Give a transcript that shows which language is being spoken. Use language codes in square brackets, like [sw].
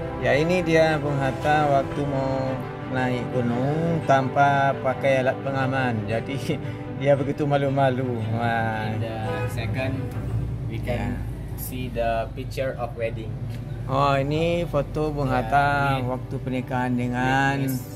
[id] Yeah, ini dia Bung Hatta waktu mau naik gunung tanpa pakai alat pengaman. Jadi ya begitu malu-malu. [en] In the second, we can see the picture of wedding. [id] Oh, ini foto Bung Hatta waktu pernikahan dengan